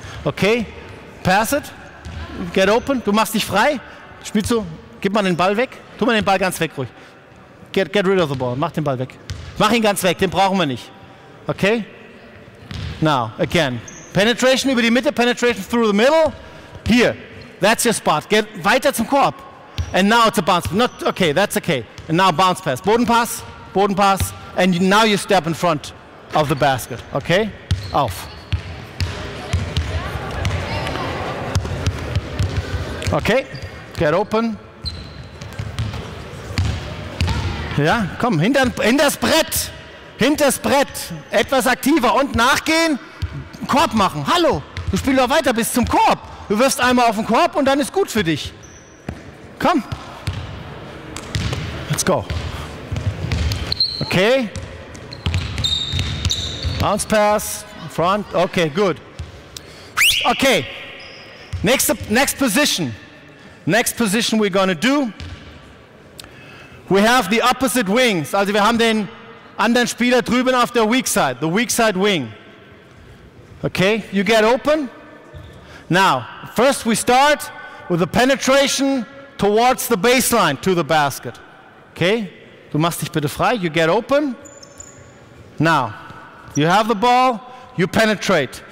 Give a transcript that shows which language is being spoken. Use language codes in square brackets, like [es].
[en] Okay. Pass it. Get open. [de] Du machst dich frei. Spielst du? Gib mal den Ball weg. Tu mal den Ball ganz weg, ruhig. [en] Get rid of the ball. [de] Mach den Ball weg. Mach ihn ganz weg. Den brauchen wir nicht. Okay? [en] Now, again. [de] Penetration über die Mitte. [en] Penetration through the middle. Here. That's your spot. Get [de] weiter zum Korb. [en] And now it's a bounce pass. Not okay. That's okay. And now bounce pass. [de] Bodenpass. Bodenpass. [en] And now you step in front of the basket. [de] Okay? Auf. [en] Okay? Get open. [de] Ja, komm, hinter das Brett. Etwas aktiver und nachgehen. Korb machen. Hallo, du spielst doch weiter bis zum Korb. Du wirfst einmal auf den Korb und dann ist gut für dich. Komm. [en] Let's go. Okay. Bounce pass. Front. Okay, good. Okay. Next position. Next position we're gonna do. We have the opposite wings. [de] Also wir haben den anderen Spieler drüben auf der weak side, [en] the weak side wing. Okay, you get open. Now, first we start with a penetration towards the baseline to the basket. [de] Okay, du machst dich bitte frei, [en] you get open. Now, you have the ball, you penetrate.